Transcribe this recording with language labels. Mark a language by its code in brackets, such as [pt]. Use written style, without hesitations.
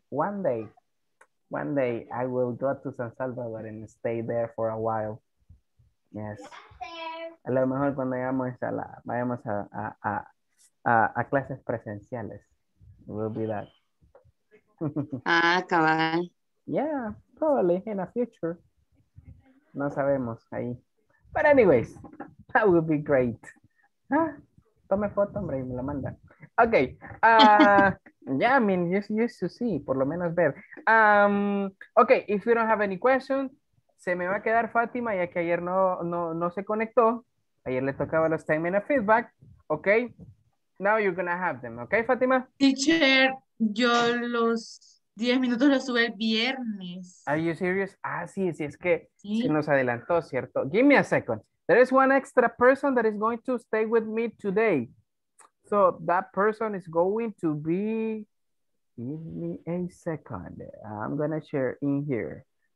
[en] One day I will go to San Salvador and stay there for a while. Yes. [es] A lo mejor cuando vayamos a clases presenciales. [en] It will be that. [es] Ah, cabal. [en] Yeah, probably in a future. [es] No sabemos ahí. [en] But anyways, that will be great. [es] Tome foto, hombre, y me la manda. Ok. [en] Yeah, I mean, you should see, [es] por lo menos ver. Ok, [en] if you don't have any questions, [es] se me va a quedar Fátima, ya que ayer no se conectó. Ayer le tocaba los 10 minutes feedback. Ok. [en] Now you're gonna have them, [es] ¿ok, Fátima? Teacher, yo los 10 minutos los subí el viernes. [en] Are you serious? [es] Ah, sí, es que sí. Se nos adelantó, ¿cierto? [en] Give me a second. There is one extra person that is going to stay with me today. So that person is going to be, give me a second. I'm gonna share in here.